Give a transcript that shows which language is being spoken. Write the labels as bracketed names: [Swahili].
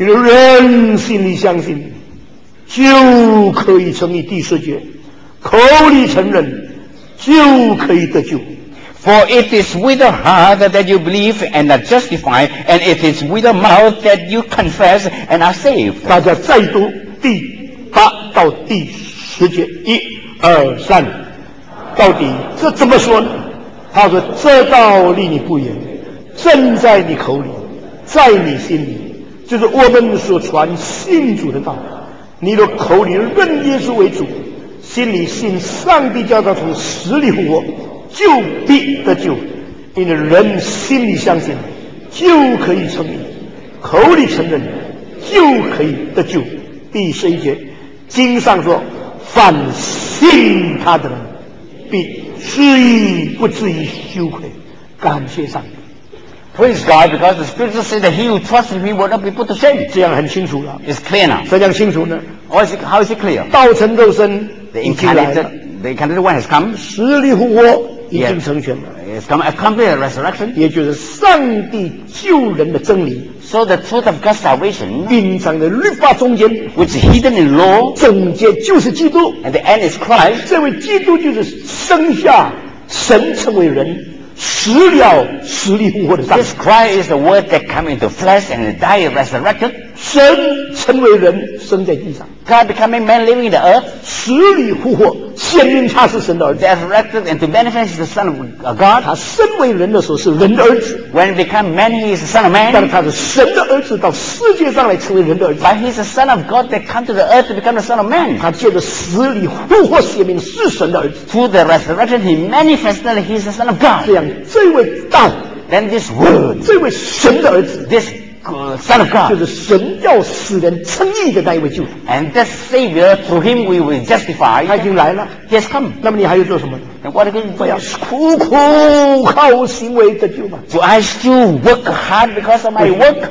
[Chinese] 你认心里相信，就可以成为第四节，口里承认，就可以得救。 [English] For it is with the heart that you believe and are justified, and it is with the mouth that you confess and are saved. [Chinese] 大家再读第八到第十节，一、二、三，到底这怎么说呢？他说：“这道离你不远，正在你口里，在你心里，就是我们所传信主的道。你的口里认耶稣为主，心里信上帝叫他从死里复活。” 就必得救，因为人心里相信，就可以成义；口里承认，就可以得救。第十一节，经上说：“凡信他的人，必至于不至于羞愧。” 感谢上帝。 [English] Praise God, because the scripture says that he who trusts in me will not be put to shame. [Chinese] 这样很清楚了。 [English] It's clear now. [Chinese] 这样清楚呢 [English] ？Or is it, how is it clear? [Chinese] 道成肉身 [English] ，The incarnated。 The incarnate one has come. [Chinese] 死里复活已经成全了。 [English] It's come accomplished resurrection. [Chinese] 也就是上帝救人的真理。 [English] So the truth of God's salvation. [Chinese] 隐藏在律法中间。 [English] Which is hidden in law. [Chinese] 总结就是基督。 [English] And the end is Christ. [Chinese] 这位基督就是生下神成为人，死了死里复活的上帝。 [English] This Christ is the Word that came into flesh and died and resurrected. [Chinese] 神成为人，生在地上。 [English] God becoming man living in the earth, [Chinese] 死里复活，显明他是神的儿子。 [English] Resurrected and to manifest is the Son of God. [Chinese] 他身为人的时候是人的儿子。 [English] When he became man, he is the Son of Man. [Chinese] 但是他是神的儿子，到世界上来成为人的儿子。 [English] But he is the Son of God that came to the earth to become the Son of Man. [Chinese] 他借着死里复活显明是神的儿子。 [English] Through the resurrection, he manifested that he is the Son of God. [Chinese] 这样，这位道 [English] ，then this word, [Chinese] 这位神的儿子 [English] ，this。 Son of God, [Chinese] 就是神要使人称义的那一位救主。 [English] And that Savior, through Him we will justify. [Chinese] 他已经来了。 [English] He has come. [Chinese] 那么你还要做什么？ [English] And what are you going to do? [Chinese] 苦苦靠行为得救吗？ [English] Do I still work hard because of my work?